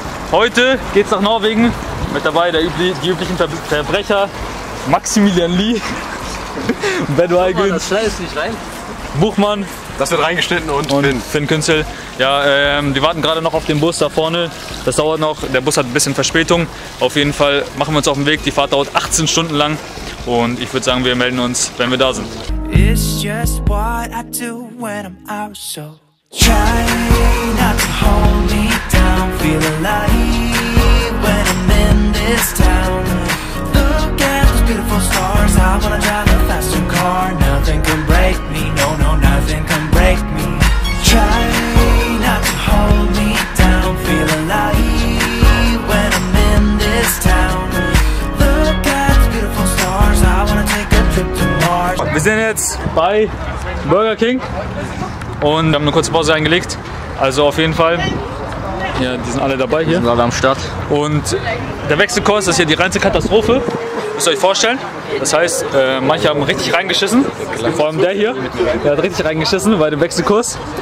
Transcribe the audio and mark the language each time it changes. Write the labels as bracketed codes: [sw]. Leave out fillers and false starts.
[de] Heute geht's nach Norwegen. Mit dabei die üblichen Verbrecher Maximilian Lee, Ben Weigel, Buchmann. Das wird reingeschnitten und Finn Künzel. Ja, wir warten gerade noch auf den Bus da vorne. Das dauert noch. Der Bus hat ein bisschen Verspätung. Auf jeden Fall machen wir uns auf den Weg. Die Fahrt dauert 18 Stunden lang. Und ich würde sagen, wir melden uns, wenn wir da sind. [en] It's just what I do when I'm out, so try not to hold me down. Feel alive when I'm in this town. Look at those beautiful stars. I wanna drive a faster car. Nothing can break me. No, no, nothing can break me. Try not to hold me down. Feel alive when I'm in this town. Look at those beautiful stars. I wanna take a trip to Mars. [de] Wir sind jetzt bei Burger King. Und wir haben eine kurze Pause eingelegt, also auf jeden Fall, ja, die sind alle dabei hier. Wir sind alle am Start. Und der Wechselkurs ist hier die reinste Katastrophe, müsst ihr euch vorstellen. Das heißt, manche haben richtig reingeschissen, vor allem der hier, der hat richtig reingeschissen bei dem Wechselkurs.